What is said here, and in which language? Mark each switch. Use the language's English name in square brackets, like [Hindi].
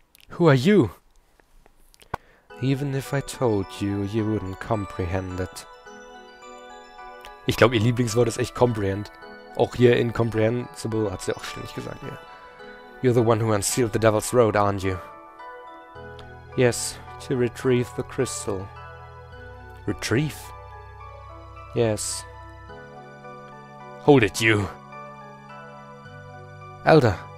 [English] Who are you? Even if I told you, you wouldn't comprehend it. [German] Ich glaube, ihr Lieblingswort ist echt comprehend. Auch hier incomprehensible hat sie auch ständig gesagt, ja. [English] You're the one who unsealed the Devil's Road, aren't you? Yes, to retrieve the crystal. Retrieve? Yes. Hold it, you! Elder!